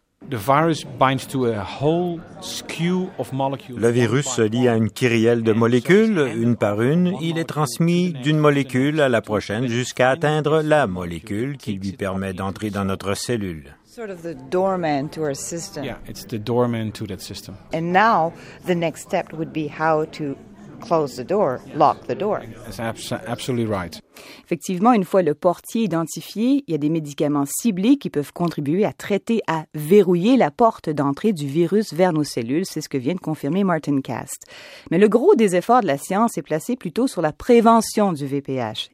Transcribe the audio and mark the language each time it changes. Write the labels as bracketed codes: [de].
[fr] Le virus se lie à une kyrielle de molécules, une par une. Il est transmis d'une molécule à la prochaine jusqu'à atteindre la molécule qui lui permet d'entrer dans notre cellule. [en] Sort of the doorman to our system. Yeah, it's the doorman to that system. And now the next step would be how to close the door, lock the door. That's absolutely right. [fr] Effectivement, une fois le portier identifié, il y a des médicaments ciblés qui peuvent contribuer à traiter, à verrouiller la porte d'entrée du virus vers nos cellules. C'est ce que vient de confirmer Martin Cast. Mais le gros des efforts de la science est placé plutôt sur la prévention du VPH.